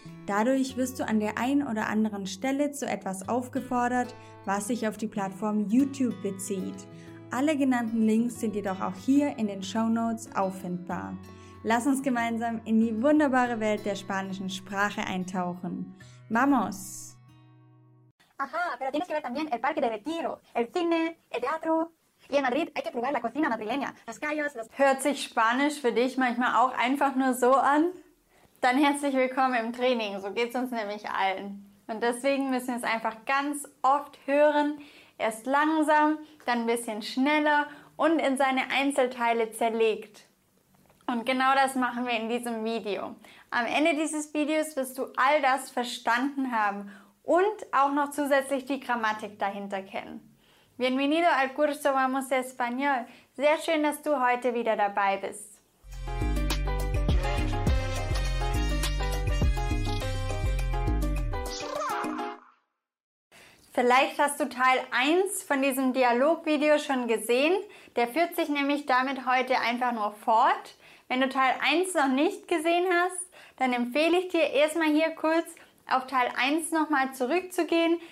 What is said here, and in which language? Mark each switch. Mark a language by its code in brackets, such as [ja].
[de] Dadurch wirst du an der einen oder anderen Stelle zu etwas aufgefordert, was sich auf die Plattform YouTube bezieht. Alle genannten Links sind jedoch auch hier in den Shownotes auffindbar. Lass uns gemeinsam in die wunderbare Welt der spanischen Sprache eintauchen. [es] ¡Vamos! Ajá, pero tienes que ver también el parque de retiro, el cine, el teatro. Y en Madrid hay que probar la cocina madrileña, los callos, los... [de] Hört sich Spanisch für dich manchmal auch einfach nur so an? Dann herzlich willkommen im Training, so geht's uns nämlich allen. Und deswegen müssen wir es einfach ganz oft hören. Erst langsam, dann ein bisschen schneller und in seine Einzelteile zerlegt. Und genau das machen wir in diesem Video. Am Ende dieses Videos wirst du all das verstanden haben und auch noch zusätzlich die Grammatik dahinter kennen. [es] Bienvenido al curso Vamos Español. [de] Sehr schön, dass du heute wieder dabei bist. Vielleicht hast du Teil 1 von diesem Dialogvideo schon gesehen. Der führt sich nämlich damit heute einfach nur fort. Wenn du Teil 1 noch nicht gesehen hast, dann empfehle ich dir erstmal hier kurz auf Teil 1 nochmal zurückzugehen.